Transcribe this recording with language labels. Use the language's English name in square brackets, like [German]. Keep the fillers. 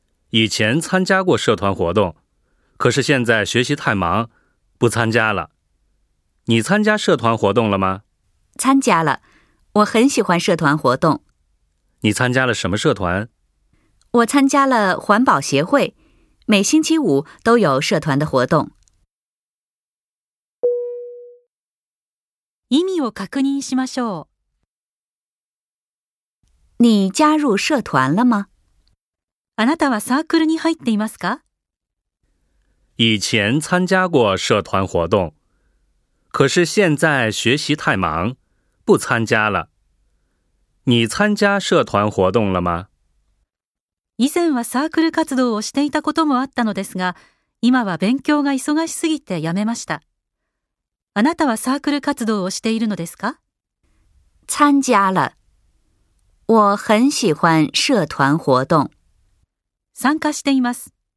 [Chinese] 以前参加过社团活动，可是现在学习太忙，不参加了。你参加社团活动了吗？参加了，我很喜欢社团活动。你参加了什么社团？我参加了环保协会。每星期五都有社团的活动。 [Japanese] 意味を確認しましょう。 [Chinese] 你加入社团了吗？ [Japanese] あなたはサークルに入っていますか？ [Chinese] 以前参加过社团活动，可是现在学习太忙，不参加了。你参加社团活动了吗？ [Japanese] 以前はサークル活動をしていたこともあったのですが、今は勉強が忙しすぎて辞めました。あなたはサークル活動をしているのですか [Chinese] 参加了。我很喜欢社团活動。 [Japanese] 参加しています。